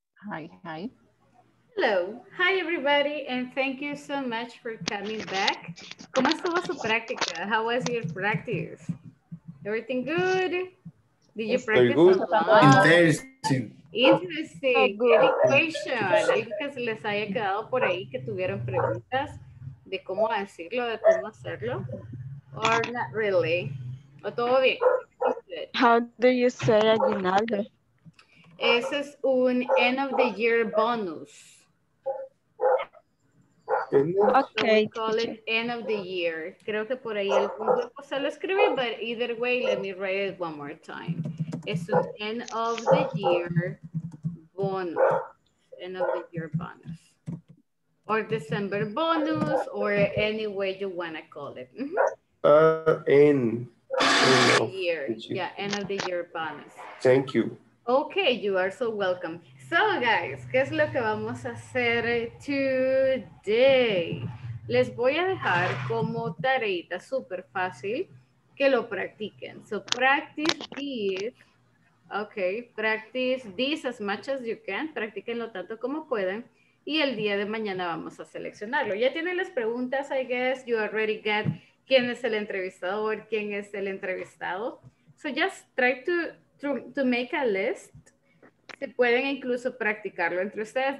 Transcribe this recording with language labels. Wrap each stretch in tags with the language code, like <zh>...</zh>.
<en>Hi. Hello. Hi, everybody, and thank you so much for coming back.</en> <es>¿Cómo estuvo su práctica?</es> <en>How was your practice? Everything good? Did you practice? Good. Interesting. Interesting. Good question.</en> <es>Algo que se les haya quedado por ahí que tuvieron preguntas de cómo decirlo, de cómo hacerlo.</es> <en>Or not really.</en> <es>O todo bien.</es> <en>How do you say aguinaldo?</en> <es>Ese es un</es> <en>end of the year bonus. Okay. So call it end of the year.</en> <es>Creo que por ahí el grupo se lo escribí,</es> <en>but either way, let me write it one more time.</en> <es>Es un</es> <en>end of the year bonus. End of the year bonus. Or December bonus, or any way you want to call it. End. Year. Yeah, end of the year bonus. Thank you. Okay, you are so welcome. So guys,</en> <es>¿qué es lo que vamos a hacer</es> <en>today?</en> <es>Les voy a dejar como tareita súper fácil que lo practiquen.</es> <en>So practice this. Okay, practice this as much as you can.</en> <es>Practiquenlo tanto como puedan. Y el día de mañana vamos a seleccionarlo. Ya tienen las preguntas,</es> <en>I guess. You already got</en> <es>quién es el entrevistador, quién es el entrevistado.</es> <en>So just try to make a list.</en> <es>Se pueden incluso practicarlo entre ustedes.</es>